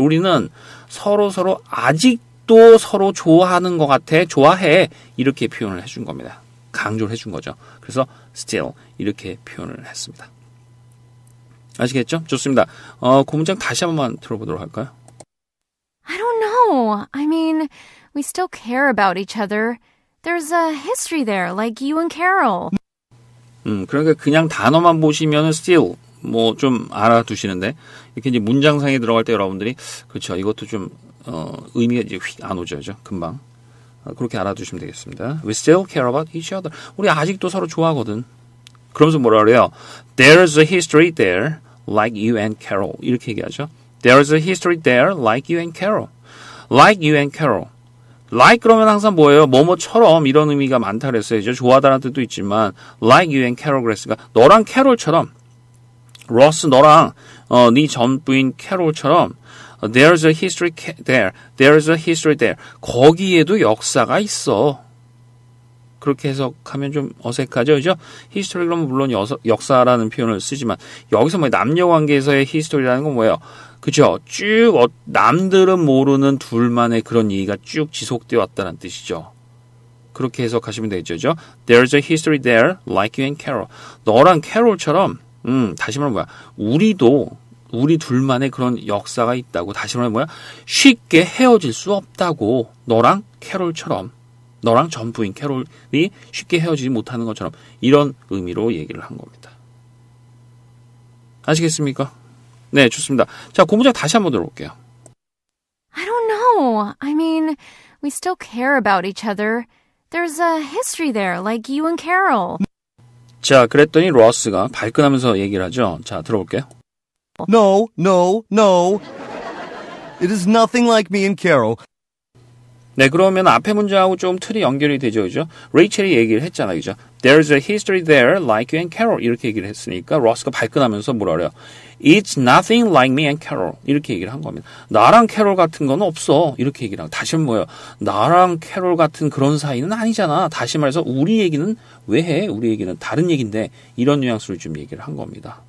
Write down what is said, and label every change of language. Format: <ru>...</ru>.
<ko>우리는 서로서로 아직도 서로 좋아하는 것 같아. 좋아해. 이렇게 표현을 해준 겁니다. 강조를 해준 거죠. 그래서 still 이렇게 표현을 했습니다. 아시겠죠? 좋습니다. 그 문장 다시 한 번만 들어보도록 할까요?</ko> <en>I don't know. I mean, we still care about each other. There's a history there, like you and Carol.</en> <ko>그러니까 그냥 단어만 보시면은 still 뭐 좀 알아두시는데 이렇게 이제 문장상에 들어갈 때 여러분들이 그렇죠. 이것도 좀 의미가 이제 휙 안 오죠. 그렇죠? 금방. 그렇게 알아두시면 되겠습니다.</ko> <en>We still care about each other.</en> <ko>우리 아직도 서로 좋아하거든. 그러면서 뭐라 그래요?</ko> <en>There's a history there like you and Carol.</en> <ko>이렇게 얘기하죠.</ko> <en>There's a history there like you and Carol. Like you and Carol. Like</en> <ko>그러면 항상 뭐예요? 뭐뭐처럼 이런 의미가 많다 그랬어요. 좋아하다는 뜻도 있지만</ko> <en>Like you and Carol</en> <ko>그랬으니까 너랑 캐롤처럼 로스 너랑 네 전부인 캐롤처럼</ko> <en>There's a history there.</en> <ko>There's a history there. 거기에도 역사가 있어. 그렇게 해석하면 좀 어색하죠, 그죠? History는 물론 역사라는 표현을 쓰지만 여기서 뭐 남녀 관계에서의 history라는 건 뭐예요? 그죠? 쭉 남들은 모르는 둘만의 그런 얘기가 쭉 지속되어 왔다는 뜻이죠. 그렇게 해석하시면 되죠, 죠?</ko> <en>There's a history there, like you and Carol.</en> <ko>너랑 캐롤처럼, 다시 말하면 뭐야? 우리도 우리 둘만의 그런 역사가 있다고. 다시 말하면 뭐야? 쉽게 헤어질 수 없다고. 너랑 캐롤처럼. 너랑 전부인 캐롤이 쉽게 헤어지지 못하는 것처럼. 이런 의미로 얘기를 한 겁니다. 아시겠습니까? 네, 좋습니다. 자, 고문장 다시 한번 들어볼게요.</ko> <en>I don't know. I mean, we still care about each other. There's a history there, like you and Carol.</en> <ko>자, 그랬더니 로스가 발끈하면서 얘기를 하죠. 자, 들어볼게요.</ko> <en>No, no, no. It is nothing like me and Carol.</en> <ko>네, 그러면 앞에 문장하고 좀 틀이 연결이 되죠, 그죠? 레이첼이 얘기를 했잖아요, 그죠?</ko> <en>There's a history there, like you and Carol.</en> <ko>이렇게 얘기를 했으니까 로스가 발끈하면서 뭐라 그래요?</ko> <en>It's nothing like me and Carol.</en> <ko>이렇게 얘기를 한 겁니다. 나랑 캐롤 같은 건 없어. 이렇게 얘기를 한 거예요. 다시 뭐예요? 나랑 캐롤 같은 그런 사이는 아니잖아. 다시 말해서 우리 얘기는 왜 해? 우리 얘기는 다른 얘기인데. 이런 뉘앙스를 좀 얘기를 한 겁니다.</ko>